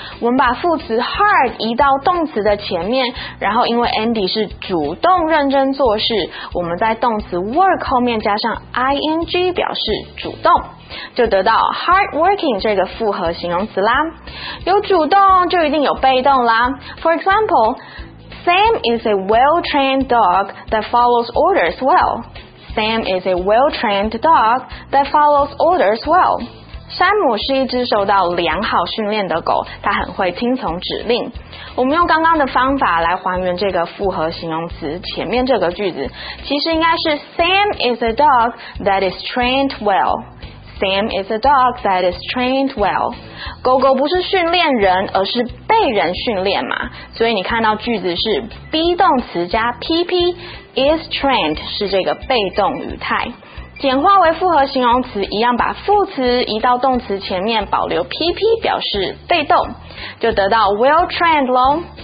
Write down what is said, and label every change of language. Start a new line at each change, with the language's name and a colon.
Chinese: 我们把副词 hard 移到动词的前面，然后因为 Andy 是主动认真做事，我们在动词 work 后面加上 ing 表示主动，就得到 hardworking 这个复合形容词啦。有主动就一定有被动啦。
English: For example, Sam is a well-trained dog that follows orders well. Sam is a well-trained dog that follows orders well.
Chinese: 山姆是一只受到良好训练的狗，它很会听从指令。我们用刚刚的方法来还原这个复合形容词前面这个句子，其实应该是
English: Sam is a dog that is trained well. Sam is a dog that is trained well.
Chinese: 狗狗不是训练人，而是被人训练嘛，所以你看到句子是 be 动词加 PP。 Is trained 是这个被动语态，简化为复合形容词，一样把副词移到动词前面，保留 PP 表示被动，就得到 well trained 咯。